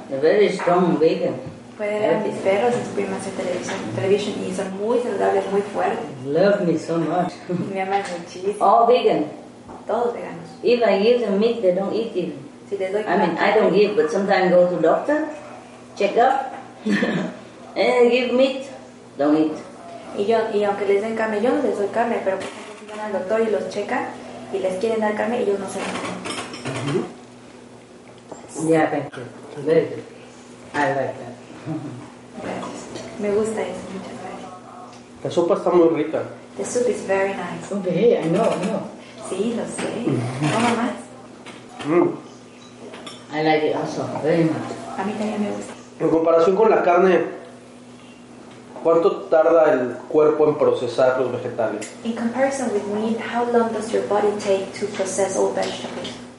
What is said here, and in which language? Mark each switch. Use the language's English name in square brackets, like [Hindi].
[English] They're very strong and vegan. Love me so much. All vegan. If I give them meat, they don't eat even. I mean, I don't give, but sometimes go to doctor, check up, and give meat, don't eat. [Spanish] Y aunque les den carne, yo no les doy carne, pero si van al doctor y los checa y les quieren dar carne, ellos no se lo [English] comen. Yeah, thank you. Very good. I like that. [Spanish] Gracias. Me gusta eso, muchas gracias. La sopa está muy rica. [English] The soup is very nice. Okay, I know, [Spanish] Sí, lo sé. ¿Cómo más? [English] I like it also, very much. [Spanish] A mí también me gusta. En comparación con la carne, ¿cuánto tarda el cuerpo en procesar los vegetales? [English] In comparison with meat, how long does your body take to process all vegetables?